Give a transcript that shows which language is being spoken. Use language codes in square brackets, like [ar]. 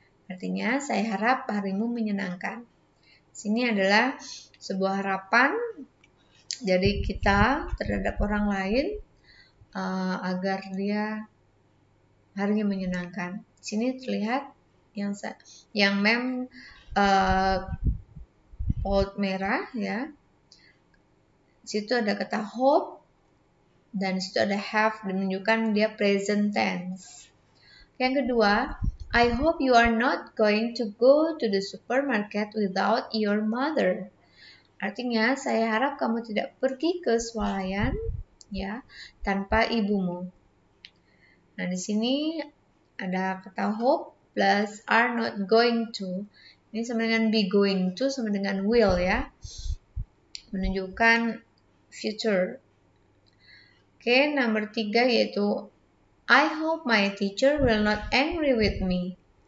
[id] Artinya, saya harap harimu menyenangkan. Sini adalah sebuah harapan dari kita terhadap orang lain agar dia harinya menyenangkan. Sini terlihat yang mem bold merah ya. Situ ada kata hope dan situ ada have, menunjukkan dia present tense. Yang kedua, [en] I hope you are not going to go to the supermarket without your mother. [id] Artinya, saya harap kamu tidak pergi ke swalayan ya tanpa ibumu. Nah, di sini ada kata hope plus are not going to. Ini sama dengan be going to sama dengan will ya. Menunjukkan future. Oke, nomor 3 yaitu [en] I hope my teacher will not angry with me.